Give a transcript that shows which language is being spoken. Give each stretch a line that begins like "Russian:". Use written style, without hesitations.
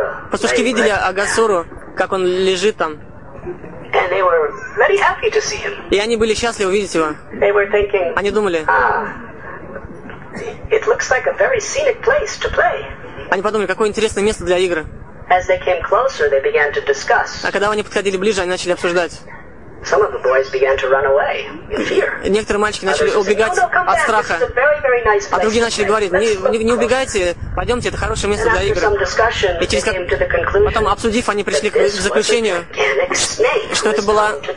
Russian: Пастушки видели Агасуру, как он лежит там.
English: And they were very happy to see him.
Russian: И они были счастливы увидеть его.
English: They were thinking,
Russian: они думали,
English: it looks like a very scenic place to play.
Russian: Они подумали, какое интересное место для игры.
English: As they came closer, they began to discuss.
Russian: А когда они подходили ближе, они начали обсуждать.
English: Some of the boys began to run away in fear.
Russian: Некоторые мальчики начали убегать от страха. А другие начали говорить, не убегайте, пойдемте, это хорошее место для игры. И через потом, обсудив, они пришли к заключению, что это была...